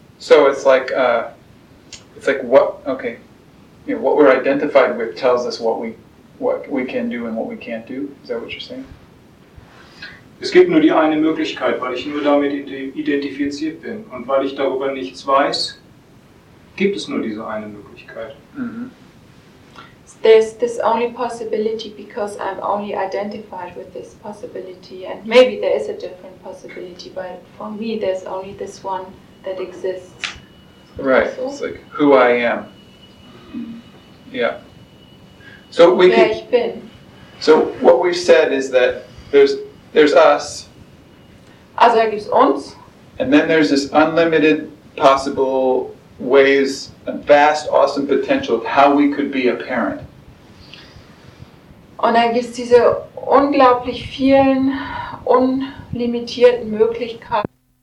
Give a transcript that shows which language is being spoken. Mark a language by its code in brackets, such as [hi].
[en] So what we're identified with tells us what we can do and what we can't do. Is that what you're saying? [de] Es gibt nur die eine Möglichkeit, weil ich nur damit identifiziert bin und weil ich darüber nichts weiß, gibt es nur diese eine Möglichkeit. Mm-hmm. [en] There's this only possibility because I'm only identified with this possibility, and maybe there is a different possibility, but for me there's only this one that exists. Right, so? It's like who I am. Yeah. So we [de] can. Ich bin. [en] So what we've said is that there's us. [de] Also da gibt's uns. [en] And then there's this unlimited possible ways, a vast, awesome potential of how we could be a parent. [de] Und dann gibt es diese unglaublich vielen, unlimitierten Möglichkeiten.